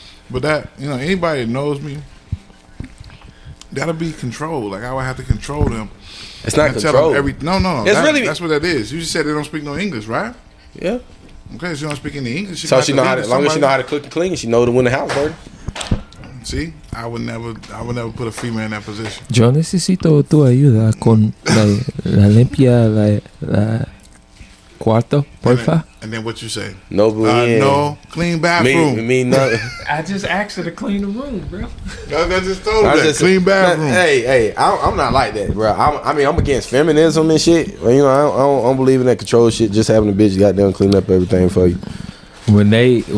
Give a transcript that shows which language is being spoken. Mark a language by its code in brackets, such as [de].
[en] But that, you know, anybody that knows me, that'll be controlled. Like, I would have to control them. It's not controlled. No. That's what that is. You just said they don't speak no English, right? Yeah. Okay, she don't speak any English. She so she know how to, as long as she know how to cook and clean, she know to win the house, bro. See, I would never put a female in that position. [es] Yo necesito tu ayuda con la limpia la cuarto, porfa. [en] And then what you say? No, no clean bathroom. Me nothing. I just asked her to clean the room, bro. I just told her clean bathroom. I'm not like that, bro. I'm against feminism and shit. Well, you know, I don't believe in that control shit. Just having a bitch goddamn clean up everything for you.